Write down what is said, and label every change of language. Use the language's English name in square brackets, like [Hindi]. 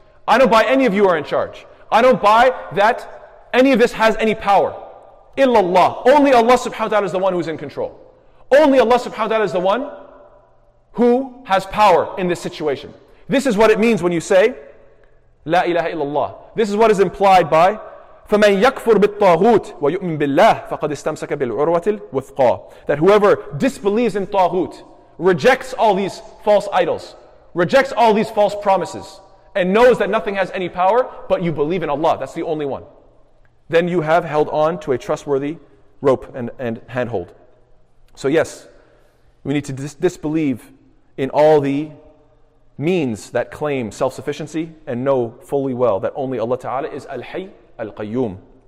[English] I don't buy any of you are in charge. I don't buy that any of this has any power. Illallah. Only Allah subhanahu wa ta'ala is the one who is in control. Only Allah subhanahu wa ta'ala is the one who has power in this situation. This is what it means when you say, La ilaha illallah. This is what is implied by, [Arabic] فَمَنْ يَكْفُرْ بِالطَّاغُوتِ وَيُؤْمِنْ بِاللَّهِ فَقَدْ اسْتَمْسَكَ بِالْعُرْوَةِ الْوُثْقَى. [English] That whoever disbelieves in طاغوت, rejects all these false idols, rejects all these false promises, and knows that nothing has any power, but you believe in Allah, that's the only one, then you have held on to a trustworthy rope and handhold. So yes, we need to disbelieve in all the means that claim self-sufficiency and know fully well that only Allah Ta'ala is Al-Hayy Al-Qayyum.